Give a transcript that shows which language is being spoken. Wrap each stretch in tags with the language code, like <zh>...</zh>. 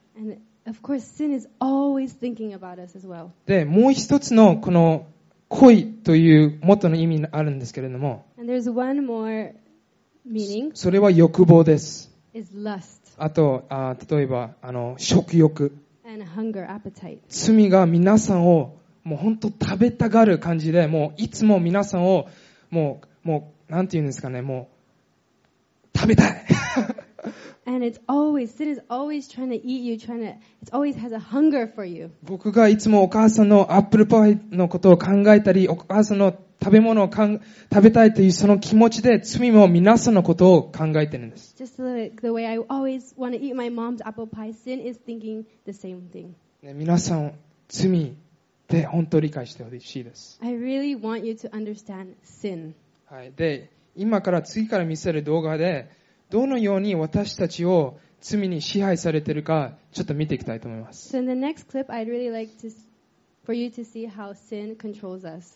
<en>And of course, sin is always thinking about us as well.</en> <ja>で、もう一つのこの恋という元の意味があるんですけれども、</ja> <en>And there's one more meaning.</en> <ja>それは欲望です。</ja> <en>Is lust.</en> <ja>あと、例えば食欲。</ja> <en>And hunger, appetite.</en> <ja>罪が皆さんをもう本当食べたがる感じで、もういつも皆さんをもうなんていうんですかね、もう食べたい。</ja> <en>And it's always, sin is always trying to eat you, it always has a hunger for you.</en> <ja>僕がいつもお母さんのアップルパイのことを考えたり、お母さんの食べ物を食べたいというその気持ちで、罪も皆さんのことを考えてるんです。</ja> <en>Just like the way I always want to eat my mom's apple pie, sin is thinking the same thing.</en> <ja>皆さん、罪って本当に理解してほしいです。</ja> <en>I really want you to understand sin.</en> <ja>はい。で、今から次から見せる動画で、どのように私たちを罪に支配されているかちょっと見ていきたいと思います。</ja> <en>So in the next clip, I'd really like to, for you to see how sin controls us.</en>